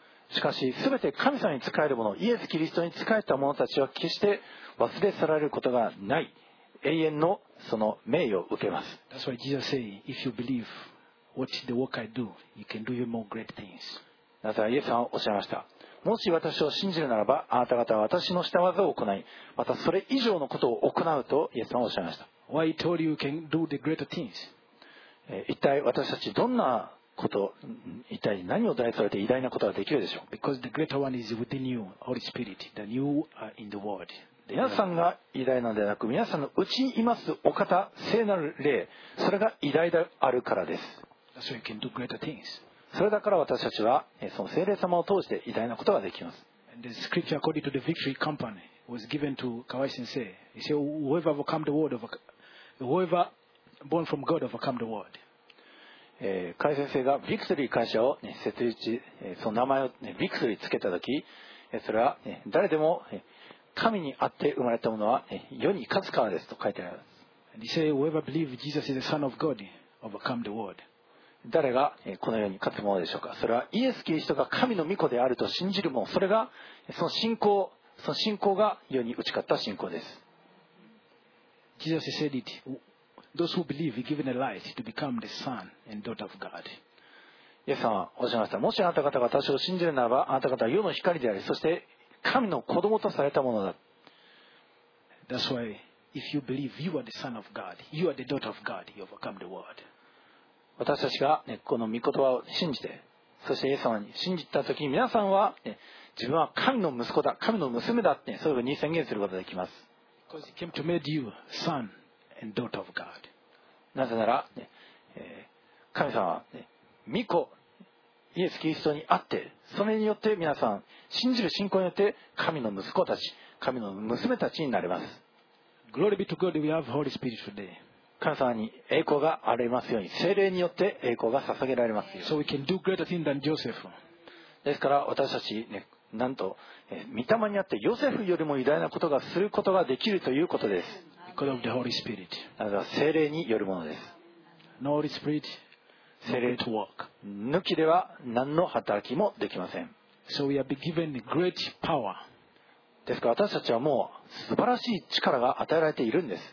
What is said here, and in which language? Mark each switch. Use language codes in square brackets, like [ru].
[ja] しかし全て神様に仕えるもの、イエス・キリストに仕えた者たちは決して忘れ去られることがない、永遠のその名誉を受けます。 [en] That's why Jesus said, if you believe what the work I do, you can do even more great things. [ja] なぜイエスさんはおっしゃいました。もし私を信じるならば、あなた方は私のした技を行い、またそれ以上のことを行うとイエス様はおっしゃいました。 [en] Why told you can do the great things? [ja] 一体私たちどんなこと、一体何を代されて偉大なことができるでしょう。 [en] Because the greater one is within you, Holy Spirit, the new in the world. [ja] 皆さんが偉大なのではなく、皆さんのうちにいますお方、聖なる霊、それが偉大であるからです。 [en] So you can do greater things. [ja] それだから私たちはその聖霊様を通して偉大なことができます。 [en] The scripture according to the victory company was given to Kawai Sensei. He said, "Whoever overcome the world, whoever born from God overcome the world." [ja] Kawai Sensei がビクトリー会社を設立し、その名前をビクトリーつけたとき、それは誰でも神にあって生まれたものは世に勝つからですと書いてあります。 [en] And he said, "Whoever believe Jesus is the Son of God, overcome the world." [ja] 誰がこの世に勝つものでしょうか。それはイエス・キリストが神の御子であると信じるもの、それがその信仰、その信仰が世に打ち勝った信仰です。 [en] ジーザー said it, those who believe are given a light to become the son and daughter of God. [ja] イエス様はおっしゃいました。もしあなた方が私を信じるならば、あなた方は世の光であり、そして神の子供とされたものだ。 [en] That's why if you believe you are the son of God, you are the daughter of God, you overcome the world. [ja] 私たちが、ね、この御言葉を信じて、そしてイエス様に信じたときに、皆さんは、ね、自分は神の息子だ、神の娘だって、ね、そういうふうに宣言することができます。 [en] Because he came to make you son and daughter of God. [ja] なぜなら、ね、神様は、ね、御子イエス・キリストにあって、それによって皆さん信じる信仰によって神の息子たち、神の娘たちになれます。 [en] Glory be to God, we have Holy Spirit today. [ja] 神様に栄光がありますように、聖霊によって栄光が捧げられますように。 [en] So we can do greater things than Joseph. [ja] ですから私たち、ね、なんと御霊にあってヨセフよりも偉大なことがすることができるということです。 [en] Because of the Holy Spirit. [ja] なので聖霊によるものです。 [en] No Holy Spirit, no great work. [ja] 抜きでは何の働きもできません。 [en] So we have been given great power. [ja] ですから私たちはもう素晴らしい力が与えられているんです。